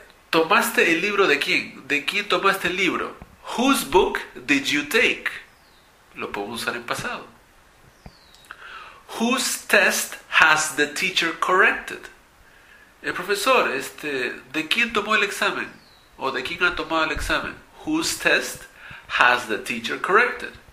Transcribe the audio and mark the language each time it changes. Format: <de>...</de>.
<es>¿Tomaste el libro de quién? ¿De quién tomaste el libro?</es> <en>Whose book did you take?</en> <es>Lo podemos usar en pasado.</es> <en>Whose test has the teacher corrected?</en> <es>El profesor, ¿de quién tomó el examen? ¿O de quién ha tomado el examen?</es> <en>Whose test has the teacher corrected?</en>